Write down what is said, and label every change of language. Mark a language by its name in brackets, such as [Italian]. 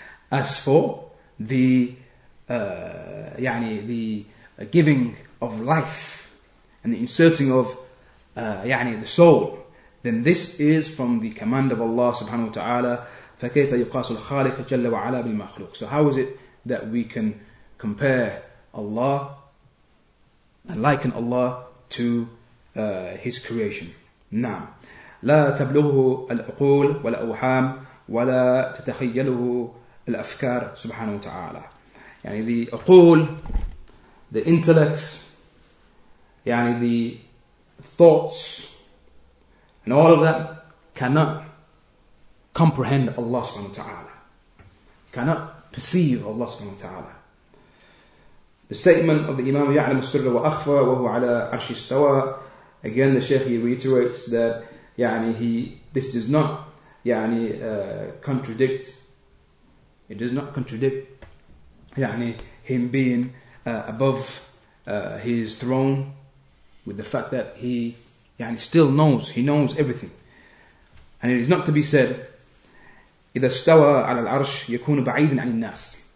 [English] As for the giving of life and the inserting of the soul, then this is from the command of Allah subhanahu wa ta'ala. [Arabic] فَكَيْفَ يُقَاسُ الْخَالِقَ جَلَّ وَعَلَى بِالْمَخْلُوقِ. [English] So how is it that we can compare Allah and liken Allah to His creation? [Arabic] نعم. لَا تَبْلُغُهُ الْأُقُولُ وَلَا أُوْحَامُ وَلَا تَتَخَيَّلُهُ الأفكار سبحانه وتعالى. [English] يعني the أقول, the intellects, يعني the thoughts, and all of that cannot comprehend Allah سبحانه وتعالى. Cannot perceive Allah سبحانه وتعالى. The statement of the Imam, [Arabic] يعلم السر وأخفى وهو على عرش استوى. [English] Again, the Shaykh, he reiterates that يعني this does not يعني contradict. It does not contradict يعني him being above his throne with the fact that he يعني still knows, he knows everything. And it is not to be said, [Arabic] إذا استوى على العرش يكون بعيدا عن الناس.